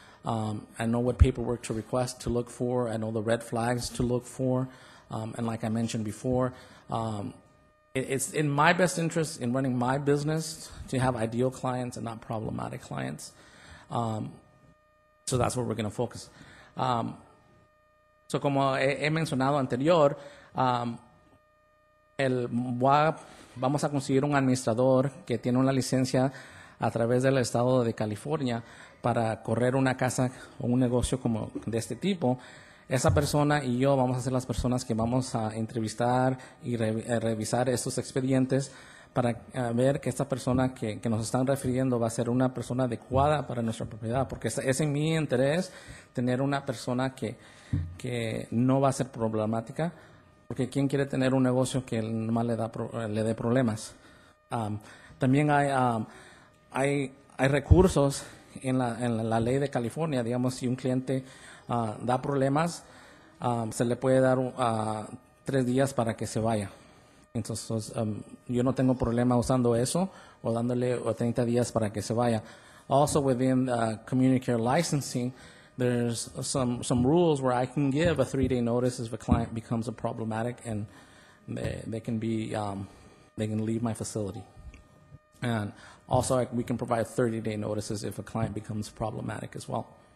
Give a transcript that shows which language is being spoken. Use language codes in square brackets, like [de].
[en] I know what paperwork to request to look for. I know the red flags to look for. And like I mentioned before, it's in my best interest in running my business to have ideal clients and not problematic clients. So that's where we're going to focus. [es] So como he mencionado anterior, vamos a conseguir un administrador que tiene una licencia a través del estado de California para correr una casa o un negocio como de este tipo. Esa persona y yo vamos a ser las personas que vamos a entrevistar y revisar estos expedientes para ver que esta persona que nos están refiriendo va a ser una persona adecuada para nuestra propiedad, porque es en mi interés tener una persona que no va a ser problemática, porque ¿quién quiere tener un negocio que nomás le dé problemas? También hay recursos en la ley de California. Digamos, si un cliente da problemas, se le puede dar 3 días para que se vaya. Entonces, yo no tengo problema usando eso o dándole 30 días para que se vaya. [en] Also, within community care licensing, there's some rules where I can give a 3-day notice if a client becomes a problematic and they can be they can leave my facility. And also, we can provide 30-day notices if a client becomes problematic as well.